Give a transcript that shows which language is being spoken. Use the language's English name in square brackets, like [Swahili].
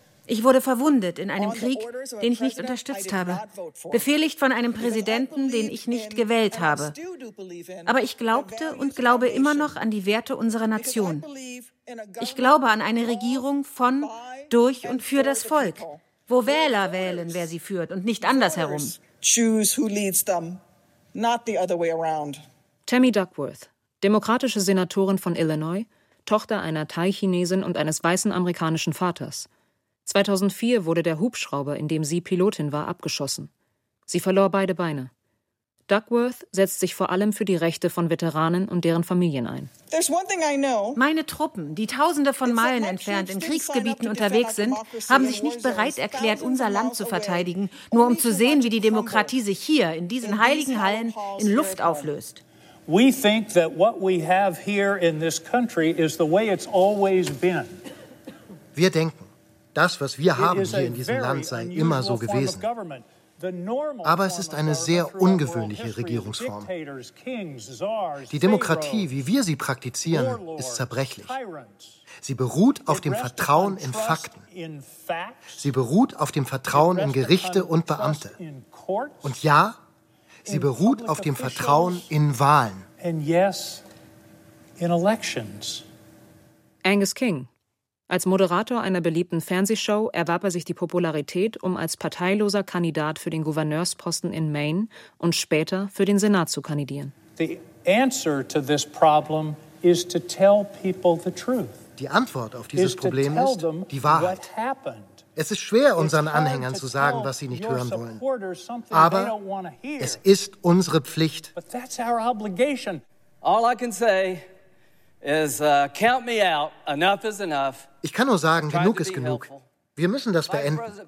[German] Ich wurde verwundet in einem Krieg, den ich nicht unterstützt habe, befehligt von einem Präsidenten, den ich nicht gewählt habe. Aber ich glaubte und glaube immer noch an die Werte unserer Nation. Ich glaube an eine Regierung von, durch und für das Volk, wo Wähler wählen, wer sie führt und nicht andersherum. [English] Choose who leads them, not the other way around. [German] Tammy Duckworth, demokratische Senatorin von Illinois, Tochter einer Thai-Chinesin und eines weißen amerikanischen Vaters. 2004 wurde der Hubschrauber, in dem sie Pilotin war, abgeschossen. Sie verlor beide Beine. Duckworth setzt sich vor allem für die Rechte von Veteranen und deren Familien ein. Meine Truppen, die Tausende von Meilen entfernt in Kriegsgebieten unterwegs sind, haben sich nicht bereit erklärt, unser Land zu verteidigen, nur um zu sehen, wie die Demokratie sich hier, in diesen heiligen Hallen, in Luft auflöst. [English] We think that what we have here in this country is the way it's always been. [German] Wir denken, das, was wir haben hier in diesem Land, sei immer so gewesen. Aber es ist eine sehr ungewöhnliche Regierungsform. Die Demokratie, wie wir sie praktizieren, ist zerbrechlich. Sie beruht auf dem Vertrauen in Fakten. Sie beruht auf dem Vertrauen in Gerichte und Beamte. Und ja, sie beruht auf dem Vertrauen in Wahlen. [English] in elections. [German] Angus King. Als Moderator einer beliebten Fernsehshow erwarb er sich die Popularität, um als parteiloser Kandidat für den Gouverneursposten in Maine und später für den Senat zu kandidieren. [English] The answer to this problem is to tell people the truth. [German] Die Antwort auf dieses Problem ist die Wahrheit. Es ist schwer, unseren Anhängern zu sagen, was sie nicht hören wollen. Aber es ist unsere Pflicht. Ich kann nur sagen, genug ist genug. Wir müssen das beenden.